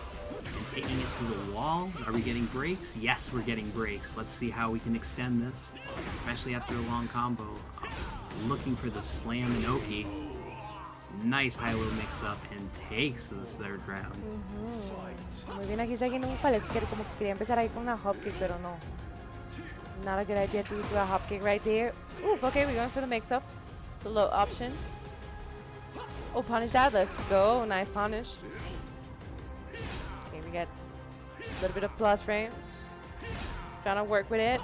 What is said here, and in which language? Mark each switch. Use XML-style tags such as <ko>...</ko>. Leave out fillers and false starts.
<en>And taking it to the wall. Are we getting breaks? Yes, we're getting breaks. Let's see how we can extend this, especially after a long combo. Looking for the slam and Oki. Nice high-low mix-up and takes the third round.</en> <es>Mm-hmm. Muy bien, aquí ya viene un palesquero. Como que quería empezar ahí con una hop kick, pero no.</es> <en>Not a good idea to do a hop kick right there. Oof, okay, we're going for the mix-up. The low option. Oh, punish that. Let's go. Nice punish. Get a little bit of plus frames. Trying to work with it.</en>